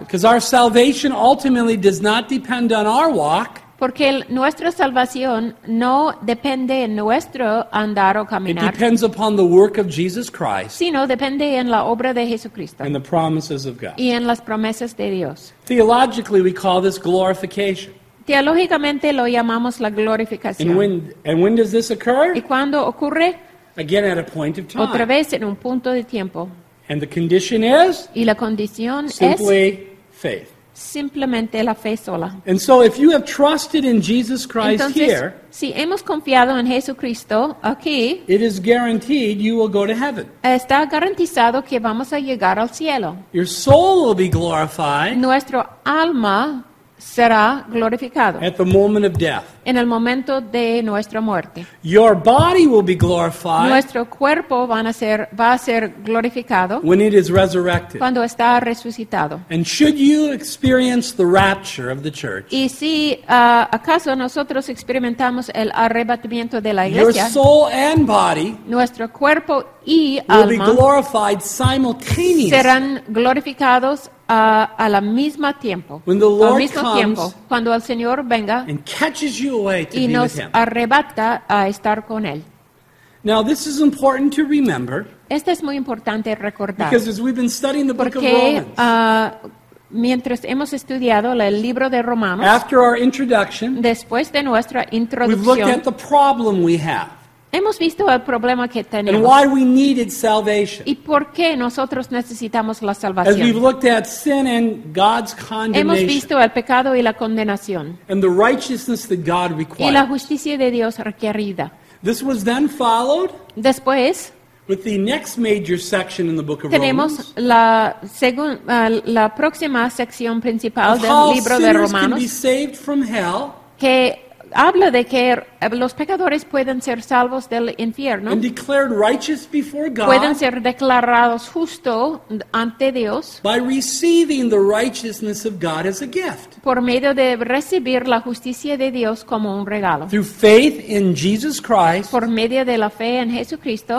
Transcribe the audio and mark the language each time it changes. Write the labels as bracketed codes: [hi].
[en] Because our salvation ultimately does not depend on our walk. [es] Porque nuestra salvación no depende en nuestro andar o caminar. [en] It depends upon the work of Jesus Christ. [es] Sino depende en la obra de Jesucristo. [en] And the promises of God. [es] Y en las promesas de Dios. [en] Theologically, we call this glorification. [es] Teológicamente lo llamamos la glorificación. [en] And when does this occur? [es] ¿Y cuándo ocurre? [en] Again at a point of time. [es] Otra vez en un punto de tiempo. [en] And the condition is? [es] Y la condición [en] simply [es] es? [en] Faith. [es] Simplemente la fe sola. [en] And so if you have trusted in Jesus Christ, [es] entonces, [en] here, [es] si hemos confiado en Jesucristo aquí, [en] it is guaranteed you will go to heaven. [es] Está garantizado que vamos a llegar al cielo. [en] Your soul will be glorified. [es] Nuestro alma será glorificado. [en] At the moment of death. [es] En el momento de nuestra muerte. [en] Your body will be glorified. [es] Nuestro cuerpo va a ser glorificado. [en] When it is resurrected. [es] Cuando está resucitado. [en] And should you experience the rapture of the church. [es] Y si acaso nosotros experimentamos el arrebatamiento de la iglesia. [en] Your soul and body. [es] Nuestro cuerpo y alma. [en] Will be glorified simultaneously. [es] Serán glorificados a la misma tiempo. [en] When the Lord [es] al mismo [en] comes [es] tiempo, cuando el Señor venga [en] and catches you away to [es] y [en] be [es] nos [en] with him. [es] Arrebata a estar con él. [en] Now this is important to remember. [es] Esto es muy importante recordar. [en] Because as we've been studying the [es] porque, [en] book of Romans. [es] Mientras hemos estudiado el libro de Romanos. [en] After our introduction. [es] Después de nuestra introducción. [en] We've looked at the problem we have. [es] Hemos visto el problema que tenemos. [en] And why we needed salvation. [es] Y por qué nosotros necesitamos la salvación. [en] As we've looked at sin and God's condemnation. [es] Hemos visto el pecado y la condenación. [en] And the righteousness that God required. [es] Y la justicia de Dios requerida. [en] This was then followed. [es] Después. [en] With the next major section in the book of Romans. [es] Tenemos la próxima sección principal del libro de Romanos. [en] How sinners can be saved from hell. [es] Que habla de que los pecadores pueden ser salvos del infierno. [en] And declared righteous before God. [es] Pueden ser declarados justo ante Dios. [en] By receiving the righteousness of God as a gift. [es] Por medio de recibir la justicia de Dios como un regalo. [en] Through faith in Jesus Christ. [es] Por medio de la fe en Jesucristo.